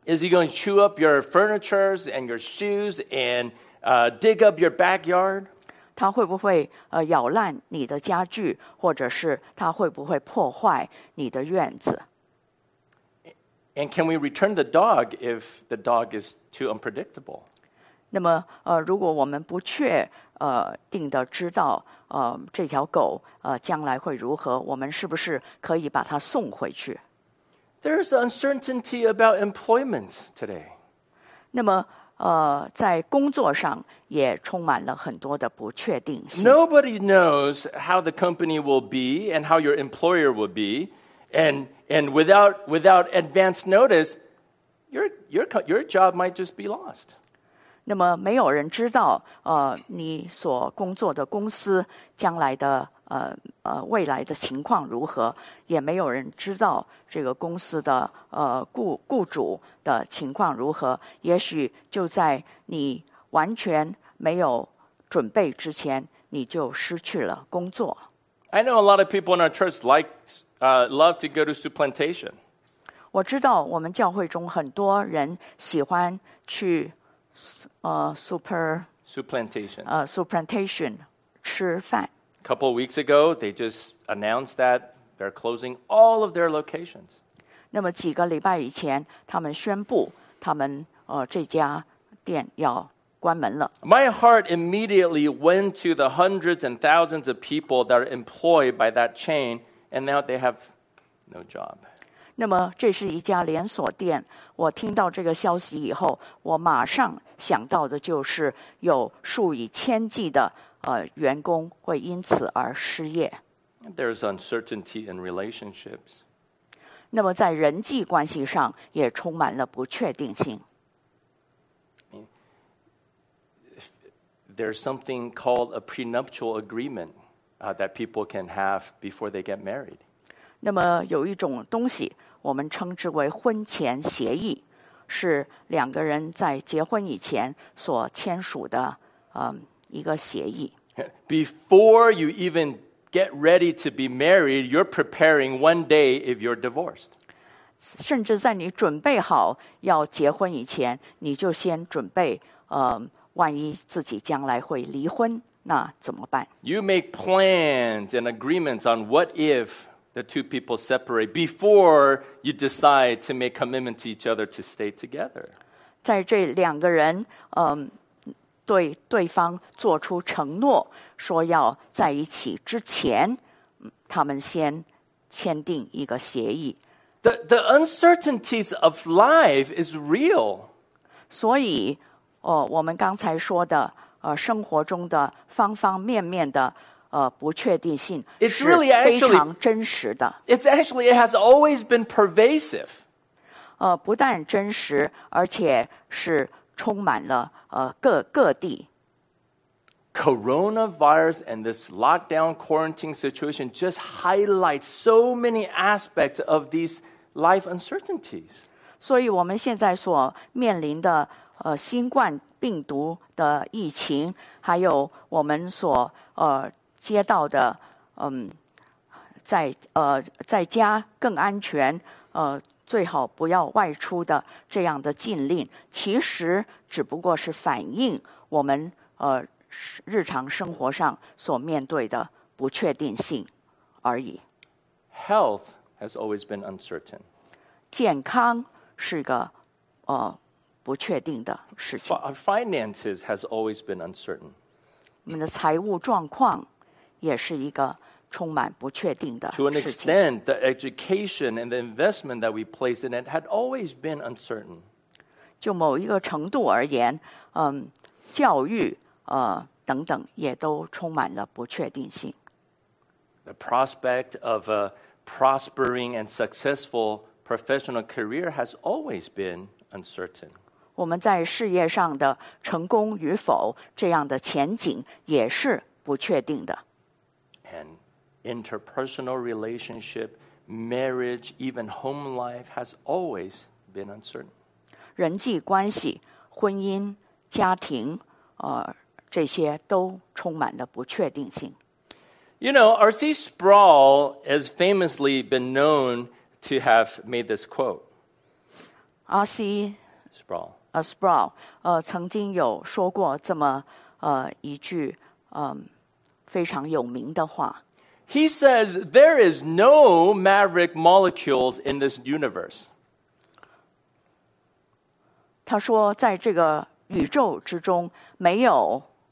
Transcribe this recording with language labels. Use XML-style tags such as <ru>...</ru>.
<en>Is he going to chew up your furniture and your shoes and dig up your backyard?</en> <zh>他会不会咬烂你的家具，或者是他会不会破坏你的院子？</zh> <en>And can we return the dog if the dog is too unpredictable?</en> <zh>那么如果我们不确定的知道这条狗将来会如何，我们是不是可以把它送回去？</zh> <en>There's uncertainty about employment today.</en> <zh>那么在工作上也充满了很多的不确定性。</zh> <en>Nobody knows how the company will be and how your employer will be. And without advance notice, your job might just be lost.</en> <zh>那么没有人知道你所工作的公司将来的未来的情况如何，也没有人知道这个公司的雇主的情况如何。也许就在你完全没有准备之前，你就失去了工作。</zh> <en>I know a lot of people in our church love to go to Soup Plantation.</en> <zh>我知道我们教会中很多人喜欢去Soup Plantation 吃饭。</zh> <en>A couple of weeks ago, they just announced that they're closing all of their locations.</en> <zh>那么几个礼拜以前，他们宣布他们这家店要关门了。</zh> <en>My heart immediately went to the hundreds and thousands of people that are employed by that chain, and now they have no job.</en> <zh>那么这是一家连锁店，我听到这个消息以后，我马上想到的就是有数以千计的员工会因此而失业。</zh> <en>There's uncertainty in relationships.</en> <zh>那么在人际关系上也充满了不确定性。</zh> <en>There's something called a prenuptial agreement that people can have before they get married.</en> <zh>那么有一种东西我们称之为婚前协议，是两个人在结婚以前所签署的一个协议。</zh> <en>Before you even get ready to be married, you're preparing one day if you're divorced.</en> <zh>甚至在你准备好要结婚以前，你就先准备万一自己将来会离婚，那怎么办？</zh> <en>You make plans and agreements on what if the two people separate before you decide to make commitment to each other to stay together.</en> <zh>在这两个人对对方做出承诺，说要在一起之前，他们先签订一个协议。</zh> <en>The uncertainties of life is real.</en> <zh>所以我们刚才说的生活中的方方面面的不确定性是非常真实的。</zh> <en>It has always been pervasive.</en> <zh>不但真实，而且是充满了各地。</zh> <en>Coronavirus and this lockdown quarantine situation just highlights so many aspects of these life uncertainties.</en> <zh>所以我们现在所面临的新冠病毒的疫情，还有我们所接到的在家更安全最好不要外出的这样的禁令，其实只不过是反映我们日常生活上所面对的不确定性而已。</zh> <en>Health has always been uncertain.</en> <zh>健康是个不确定的事情。</zh> <en>Finances has always been uncertain.</en> <zh>我们的财务状况也是一个充满不确定的事情。</zh> <en>To an extent, the education and the investment that we placed in it had always been uncertain.</en> <zh>就某一个程度而言，教育等等也都充满了不确定性。</zh> <en>The prospect of a prospering and successful professional career has always been uncertain.</en> <zh>我们在事业上的成功与否，这样的前景也是不确定的。</zh> <en>And interpersonal relationship, marriage, even home life has always been uncertain.</en> <zh>人际关系、婚姻、家庭，这些都充满了不确定性。</zh> <en>You know, R.C. Sproul has famously been known to have made this quote. R.C. Sproul.</en> <zh>Sproul, 曾经有说过这么一句非常有名的话。</zh> <en>He says there is no maverick molecules in this universe.</en> <zh>他说在这个宇宙之中没有</zh>